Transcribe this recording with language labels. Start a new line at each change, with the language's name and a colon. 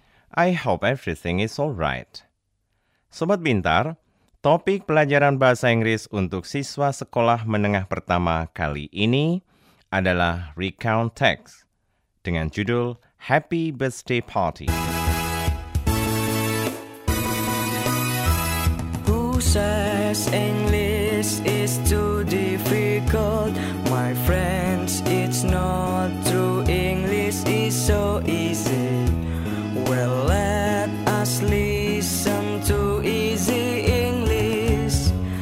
English: I hope everything is all right.
Indonesian: Sobat Bintar, topik pelajaran bahasa Inggris untuk siswa sekolah menengah pertama kali ini adalah Recount Text dengan judul Happy Birthday Party.
English: Who says English is too difficult? My friends, it's not true. So easy. Well, let us listen to easy English.